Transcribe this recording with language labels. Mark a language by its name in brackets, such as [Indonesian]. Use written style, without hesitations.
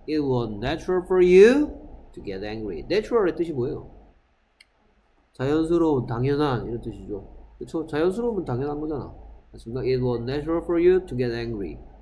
[English] It was natural for you to get angry. [Korean] Natural의 뜻이 뭐예요? 자연스러운, 당연한 이런 뜻이죠. 그렇죠? 자연스러우면 당연한 거잖아. 맞습니까? [English] It was natural for you to get angry.